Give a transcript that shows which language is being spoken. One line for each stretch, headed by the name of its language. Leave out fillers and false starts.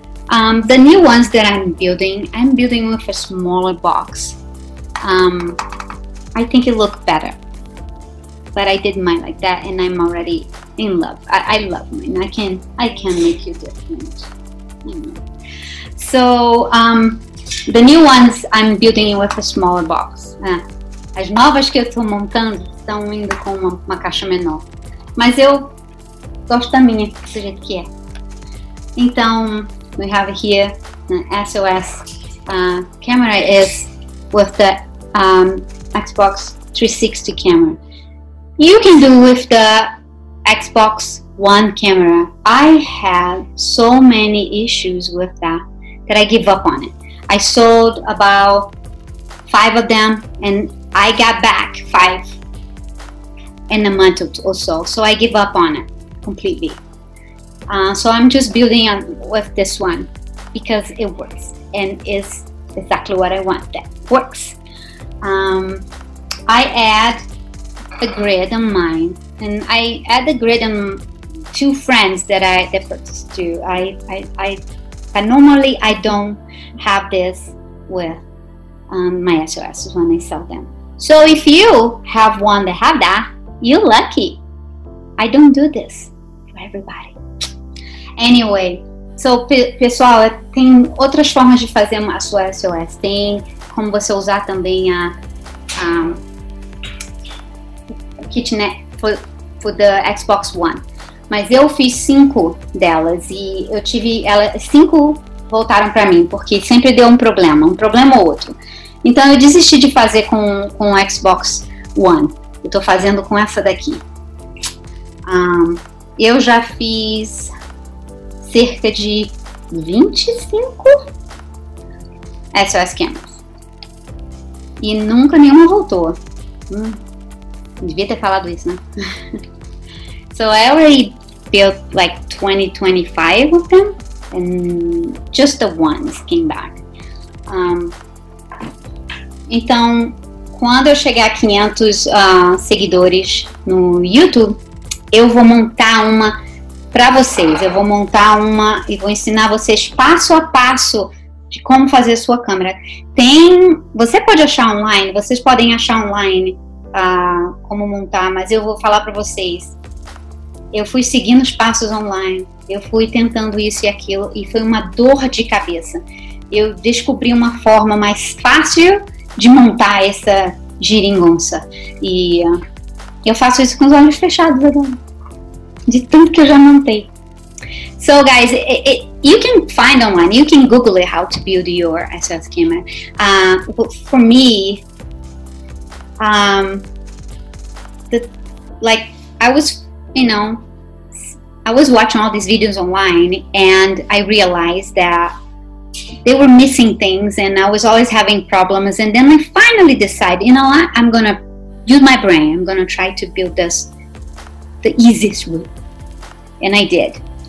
English: The new ones that I'm building with a smaller box. I think it looks better. but I did mine like that, and I'm already in love. I love mine. I can make you different. So the new ones I'm building in with a smaller box.
Portuguese: As novas que eu estou montando estão indo com uma caixa menor. Mas eu gosto da minha, do jeito que é.
English: Então, we have here the SOS camera is with the Xbox 360 camera. You can do with the Xbox One camera. I had so many issues with that I give up on it. I sold about 5 of them and I got back 5 in a month or so. So I give up on it completely. So I'm just building on with this one because it works and is exactly what I want. That works. I add the grid on mine, and I add the grid on two friends that I purchased too. But normally I don't have this with my SOS when I sell them. So if you have one that have that, you're lucky. I don't do this for everybody. Anyway, so
Portuguese: pessoal, tem outras formas de fazer a sua SOS. Tem como você usar também a Kinect for the Xbox One. Mas eu fiz 5 delas e eu tive ela, 5 voltaram para mim, porque sempre deu um problema ou outro. Então eu desisti de fazer com o Xbox One. Eu tô fazendo com essa daqui. Eu já fiz cerca de 25 SOS cameras. E nunca nenhuma voltou. Devia ter falado isso, né?
English: So I already built like 20-25 of them, and just the ones came back.
Portuguese: Então, quando eu chegar a 500 seguidores no YouTube, eu vou montar uma pra vocês. Eu vou montar uma e vou ensinar vocês passo a passo de como fazer a sua câmera. Você pode achar online, vocês podem achar online como montar, mas eu vou falar pra vocês. Eu fui seguindo os passos online, eu fui tentando isso e aquilo, e foi uma dor de cabeça. Eu descobri uma forma mais fácil de montar essa geringonça. E eu faço isso com os olhos fechados agora, de tanto que eu já montei.
English: So guys, you can find online, you can Google it, how to build your SOS camera. For me, I was watching all these videos online and I realized that they were missing things and I was always having problems, and then I finally decided, you know what, I'm gonna use my brain, I'm gonna try to build this the easiest way. And I did.